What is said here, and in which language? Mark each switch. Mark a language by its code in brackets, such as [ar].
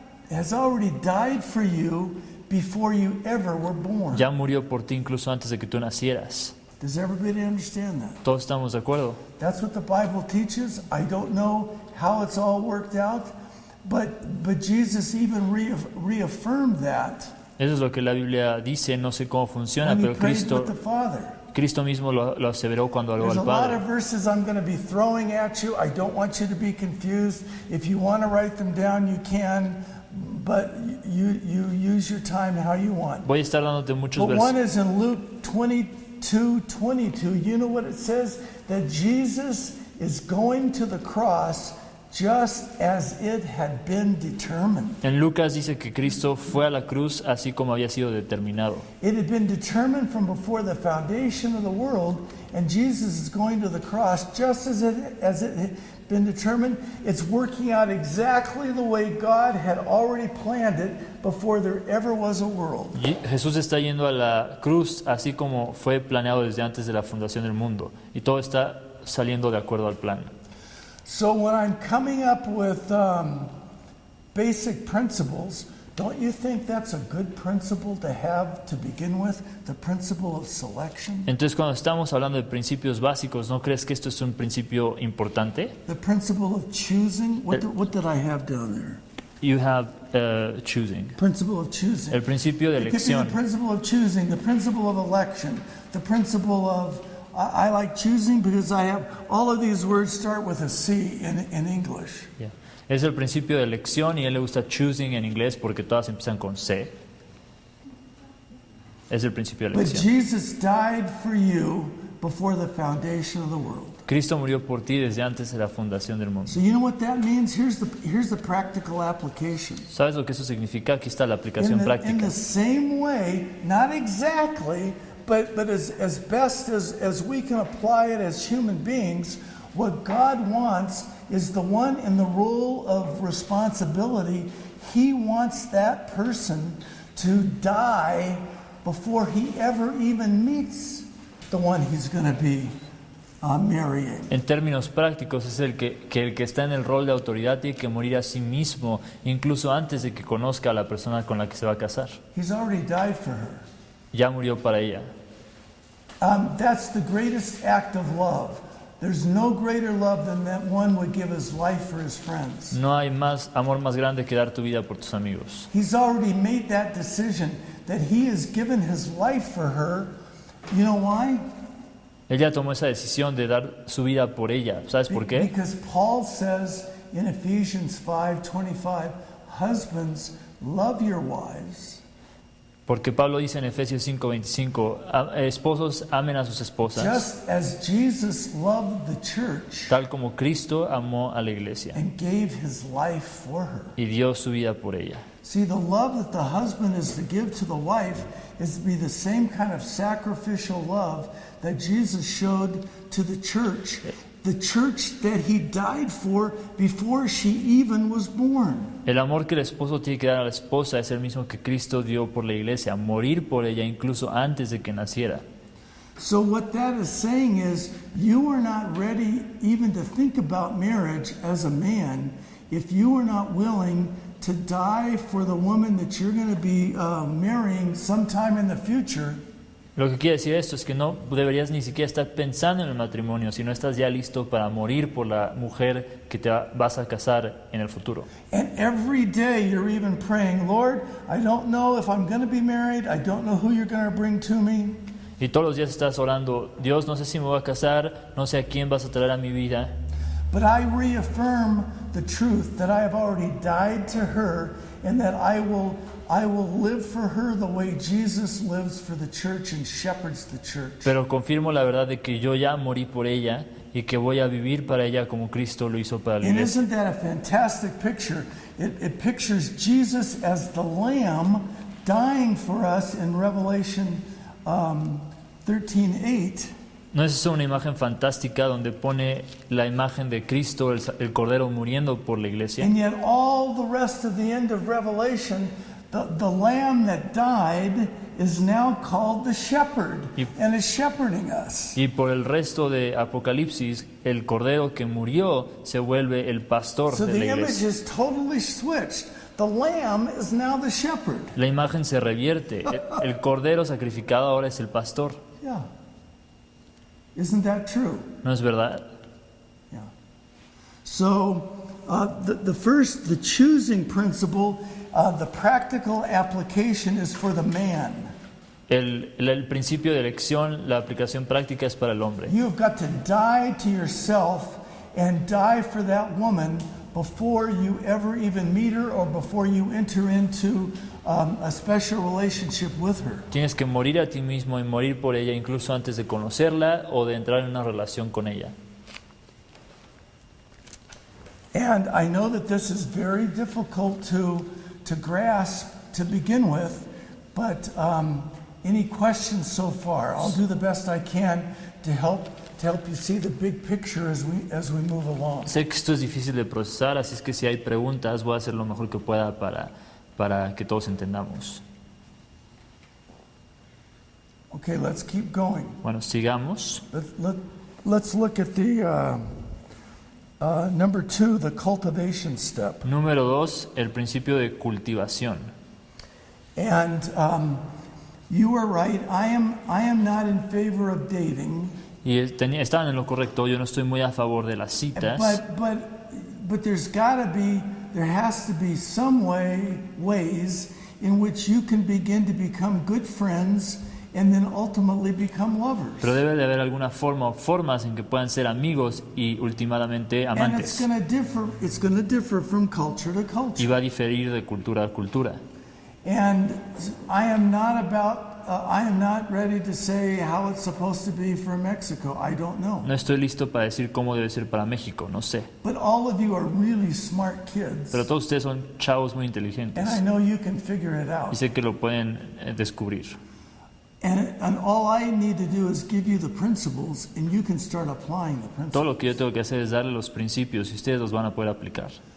[en] Has already died for you before you ever were born. [es] Ya murió por ti incluso antes de que tú nacieras. [en] Does everybody understand that? [es] Todos estamos de acuerdo. [en] That's what the Bible teaches. I don't know how it's all worked out, but Jesus even reaffirmed that. [es] Eso es lo que la Biblia dice, no sé cómo funciona, pero Cristo mismo lo aseveró cuando oró al Padre. [en] There's a lot of verses I'm going to be throwing at you. I don't want you to be confused. If you want to write them down, you can, but you use your time how you want. [es] Voy a estar dándote muchos versos. [en] One is in Luke 22:22. You know what it says? That Jesus is going to the cross just as it had been determined. [es] En Lucas dice que Cristo fue a la cruz así como había sido determinado. [en] It had been determined from before the foundation of the world, and Jesus is going to the cross just as it been determined. It's working out exactly the way God had already planned it before there ever was a world. [es] Jesús está yendo a la cruz así como fue planeado desde antes de la fundación del mundo, y todo está saliendo de acuerdo al plan. [en] So when I'm coming up with basic principles, don't you think that's a good principle to have to begin with? The principle of selection. [es] Entonces, cuando estamos hablando de principios básicos, ¿no crees que esto es un principio importante? [en] The principle of choosing. What did I have down there? You have choosing. Principle of choosing. [es] El principio de elección. [en] Give me the principle of choosing. The principle of election. The principle of I like choosing because I have all of these words start with a C in English. Yeah. [es] Es el principio de elección, y a él le gusta choosing en inglés porque todas empiezan con C. Es el principio de elección. [en] But Jesus died for you before the foundation of the world. [es] Cristo murió por ti desde antes de la fundación del mundo. [en] So you know what that means? Here's the practical application. [es] ¿Sabes lo que eso significa? Aquí está la aplicación práctica. [en] In the same way, not exactly, but as best as we can apply it as human beings, what God wants is the one in the role of responsibility. He wants that person to die before he ever even meets the one he's going to be marrying. [es] En términos prácticos, es el que está en el rol de autoridad tiene que morir a sí mismo incluso antes de que conozca a la persona con la que se va a casar. [en] He's already died for her. [es] Ya murió para ella. [en] That's the greatest act of love. There's no greater love than that one would give his life for his friends. [es] No hay más amor más grande que dar tu vida por tus amigos. [en] He's already made that decision that he has given his life for her. You know why? [es] Ella tomó esa decisión de dar su vida por ella. ¿Sabes por qué? [en] Because Paul says in Ephesians 5:25, husbands, love your wives. [es] Porque Pablo dice en Efesios 5:25, esposos, amen a sus esposas. [en] Just as Jesus loved the church, [es] tal como Cristo amó a la iglesia. [en] And gave his life for her. [es] Y dio su vida por ella. [en] See, the love that the husband is to give to the wife is to be the same kind of sacrificial love that Jesus showed to the church. The church that he died for before she even was born. [es] El amor que el esposo tiene que dar a la esposa es el mismo que Cristo dio por la iglesia, morir por ella incluso antes de que naciera. [en] So what that is saying is you are not ready even to think about marriage as a man if you are not willing to die for the woman that you're going to be marrying sometime in the future. [es] Lo que quiere decir esto es que no deberías ni siquiera estar pensando en el matrimonio si no estás ya listo para morir por la mujer que te vas a casar en el futuro. [en] And every day you're even praying, Lord, I don't know if I'm going to be married. I don't know who you're going to bring to me. [es] Y todos los días estás orando, Dios, no sé si me voy a casar, no sé a quién vas a traer a mi vida. [en] But I reaffirm the truth that I have already died to her and that I will live for her the way Jesus lives for the church and shepherds the church. [es] Pero confirmo la verdad de que yo ya morí por ella y que voy a vivir para ella como Cristo lo hizo para la iglesia. [en] And isn't that a fantastic picture? It pictures Jesus as the Lamb dying for us in Revelation 13:8. [es] ¿No es eso una imagen fantástica donde pone la imagen de Cristo, el Cordero, muriendo por la iglesia? [en] And yet all the rest of the end of Revelation, The lamb that died is now called the shepherd and is shepherding us. [es] Y por el resto de Apocalipsis, el cordero que murió se vuelve el pastor de la iglesia. [en] So the image is totally switched. The lamb is now the shepherd. [es] La imagen se revierte. El cordero sacrificado ahora es el pastor. [en] Yeah. Isn't that true? [es] ¿No es verdad? [en] Yeah. So the choosing principle. The practical application is for the man. [es] El principio de elección, la aplicación práctica es para el hombre. [en] You've got to die to yourself and die for that woman before you ever even meet her or before you enter into a special relationship with her. [es] Tienes que morir a ti mismo y morir por ella incluso antes de conocerla o de entrar en una relación con ella. [en] And I know that this is very difficult to grasp to begin with, but any questions so far? I'll do the best I can to help to help you see the big picture as we move along. [es] Sé que esto es difícil de procesar, así es que si hay preguntas, voy a hacer lo mejor que pueda para que todos entendamos. [en] Okay, let's keep going. [es] Bueno, sigamos. [en] Let's look at the number two, the cultivation step. [es] Número dos, el principio de cultivación. [en] And you are right. I am not in favor of dating. [es] Y estaban en lo correcto. Yo no estoy muy a favor de las citas. [en] But there has to be some ways in which you can begin to become good friends and then ultimately become lovers. [es] Pero debe de haber alguna forma o formas en que puedan ser amigos y últimamente amantes. [en] And it's going to differ from culture to culture. [es] Y va a diferir de cultura a cultura. [en] And I am not ready to say how it's supposed to be for Mexico. I don't know. [es] No estoy listo para decir cómo debe ser para México. No sé. [en] But all of you are really smart kids. [es] Pero todos ustedes son chavos muy inteligentes. [en] And I know you can figure it out. [es] Y sé que lo pueden descubrir. [en] And all I need to do is give you the principles, and you can start applying the principles. [es] Todo lo que yo tengo que hacer es darle los principios, y ustedes los van a poder aplicar.